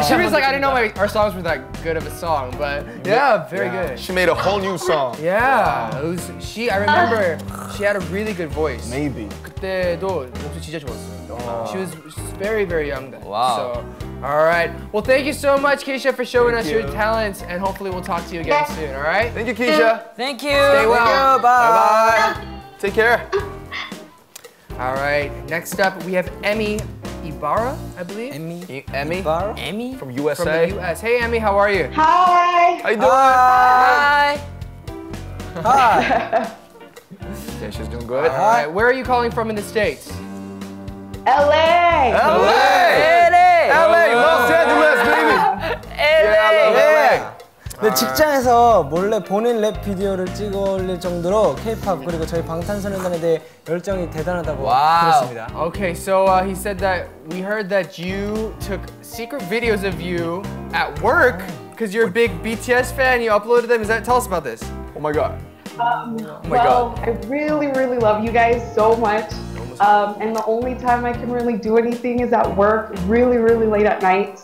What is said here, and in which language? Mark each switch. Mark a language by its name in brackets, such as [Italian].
[English] She was like, I didn't know our songs were that good of a song, but yeah, very good. She made a whole new song. Yeah. Wow. I remember she had a really good voice. Maybe. [Korean] 그때도 목소리 진짜 좋았어요. [English] She was very, very young then. Wow. All right. Well, thank you so much, Keisha, for showing us your talents, and hopefully we'll talk to you again soon, all right? Thank you, Keisha. Thank you. Stay well. Thank you. Bye. Bye-bye. Take care. All right. Next up, we have Emmy Ibarra, I believe. Emmy? Ibarra? Emmy? From USA. From the US. Hey, Emmy, how are you? Hi. How you doing? Hi. Hi. Yeah, she's doing good. All right. Where are you calling from in the States? LA. LA. LA. LA, Los Angeles, baby! Yeah, I love LA! [Korean] 근데 직장에서 몰래 본인 랩 비디오를 찍어 올릴 정도로 K-POP 그리고 저희 방탄소년단에 대해 열정이 대단하다고 들었습니다. [English] Okay, so he said that we heard that you took secret videos of you at work because you're a big BTS fan, you uploaded them. Tell us about this. Oh my god. I really, really love you guys so much. And the only time I can really do anything is at work, really, really late at night.